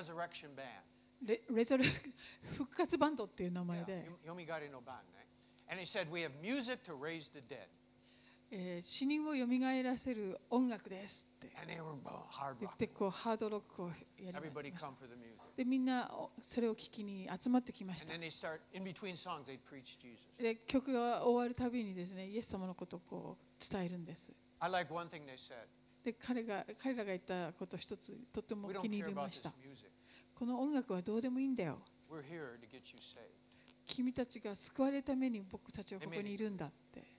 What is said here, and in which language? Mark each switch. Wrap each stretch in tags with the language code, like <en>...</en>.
<ja>復活バンドっていう名前で。よみがえりのバンね。</ja> <en>And he said, we have music to raise the dead.</en> <ja>死人をよみがえらせる音楽ですって。</ja> <en>And they were hard rock.</en> <ja>言ってこうハードロックをやりました。</ja> <en>Everybody come for the music.</en> <ja>でみんなそれを聞きに集まってきました。</ja> <en>And then they start, in between songs, they'd preach Jesus.</en> <ja>で曲が終わるたびにですね、イエス様のことをこう伝えるんです。</ja> <en>I like one thing they said.</en> <ja>で彼らが言ったこと一つとても気に入りました。この音楽はどうでもいいんだよ。</ja> <en>We're here to get you saved.</en> <ja>君たちが救われるために僕たちはここにいるんだって。</ja>